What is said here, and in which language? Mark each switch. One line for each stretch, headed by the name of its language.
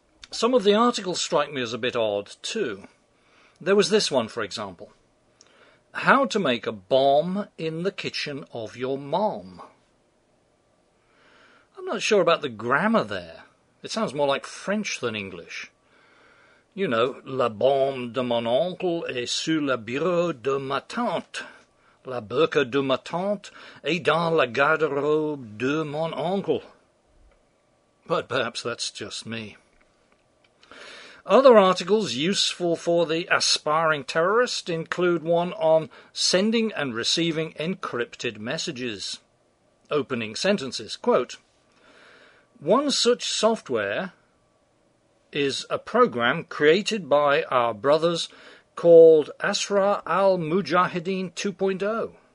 English: Some of the articles strike me as a bit odd, too. There was this one, for example. How to make a bomb in the kitchen of your mom. I'm not sure about the grammar there. It sounds more like French than English. You know,
French: la bombe de mon oncle est sous le bureau de ma tante. La burqa de ma tante est dans la garde-robe de mon oncle.
English: But perhaps that's just me. Other articles useful for the aspiring terrorist include one on sending and receiving encrypted messages. Opening sentences, quote, one such software is a program created by our brothers called Asra al-Mujahideen 2.0.